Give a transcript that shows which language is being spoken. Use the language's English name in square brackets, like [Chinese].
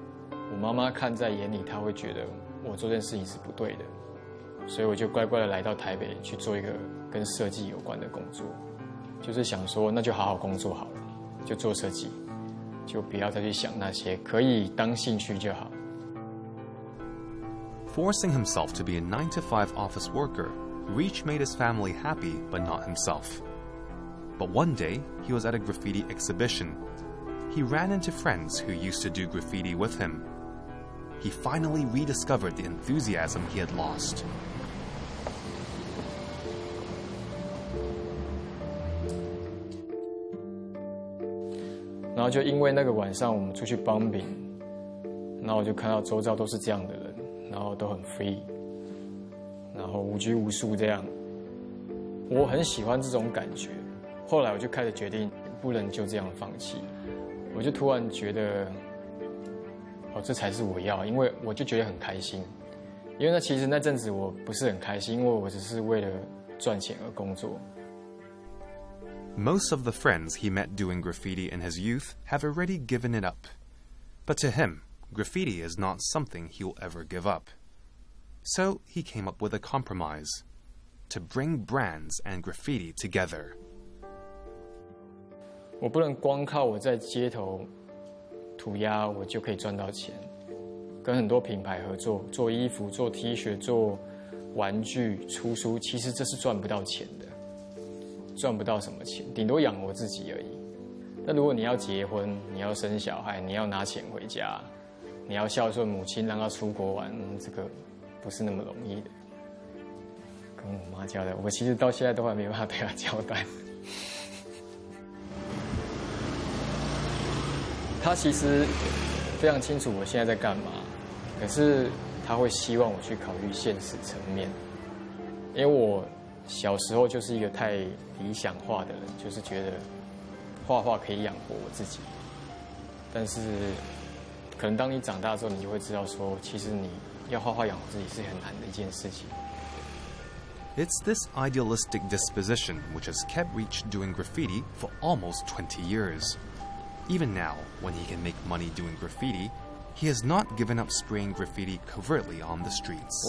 [Chinese] 我妈妈看在眼里，她会觉得我做这件事情是不对的。所以我就乖乖的来到台北去做一个跟设计有关的工作，就是想说那就好好工作好了，就做设计，就不要再去想那些，可以当兴趣就好。 [English] Forcing himself to be a 9-to-5 office worker, Reach made his family happy but not himself. But one day, he was at a graffiti exhibition. He ran into friends who used to do graffiti with him. He finally rediscovered the enthusiasm he had lost. Then, [Chinese] 就因为那个晚上我们出去帮饼，然后就看到周遭都是这样的人，然后都很 [English] free， [Chinese] 然后无拘无束这样。我很喜欢这种感觉。后来我就开始决定，不能就这样放弃。我就突然觉得。哦，这才是我要，因为我就觉得很开心。因为那其实那阵子我不是很开心，因为我只是为了赚钱而工作。 [English] Most of the friends he met doing graffiti in his youth have already given it up. But to him, graffiti is not something he'll ever give up. So he came up with a compromise: to bring brands and graffiti together. [Chinese] 我不能光靠我在街头。涂鸦我就可以赚到钱，跟很多品牌合作，做衣服、做 T 恤、做玩具、出书，其实这是赚不到钱的，赚不到什么钱，顶多养活自己而已。那如果你要结婚，你要生小孩，你要拿钱回家，你要孝顺母亲，让她出国玩，这个不是那么容易的。跟我妈交代，我其实到现在都还没办法对她交代。他其实非常清楚我现在在干嘛，可是他会希望我去考虑现实层面，因为我小时候就是一个太理想化的人，就是觉得画画可以养活我自己，但是可能当你长大之后，你就会知道说，其实你要画画养活自己是很难的一件事情。 [English] It's this idealistic disposition which has kept Reach doing graffiti for almost 20 years. Even now, when he can make money doing graffiti, he has not given up spraying graffiti covertly on the streets.